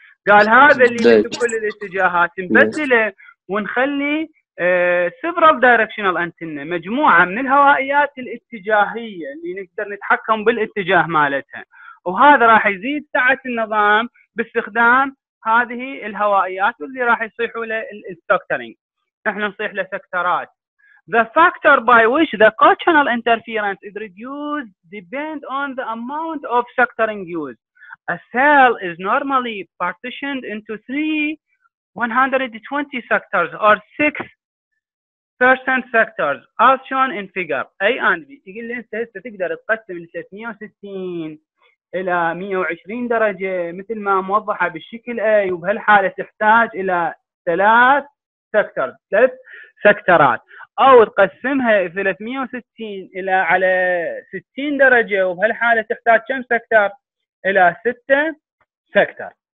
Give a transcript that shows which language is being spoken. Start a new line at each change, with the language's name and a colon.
Arabic: قال هذا اللي يبث بكل الاتجاهات نبدله ونخلي
English: several directional antenna
Arabic: مجموعة من الهوائيات الاتجاهية اللي نقدر نتحكم بالاتجاه مالتها، وهذا راح يزيد سعة النظام باستخدام هذه الهوائيات واللي راح يصيحوا له الستكترينج. نحن نصيح له سكترات.
English: The factor by which the co-channel interference is reduced depend on the amount of sectoring used. A cell is normally partitioned into 3 120 sectors or 6% sectors as shown in figure A and B.
Arabic: يقول لي انت هسه تقدر تقسم ال 360 الى 120 درجة مثل ما موضحة بالشكل A، وبهالحالة تحتاج الى ثلاث سكترات، او تقسمها 360 الى على 60 درجة وبهالحالة تحتاج كم سكتر؟ الى 6 سكتر.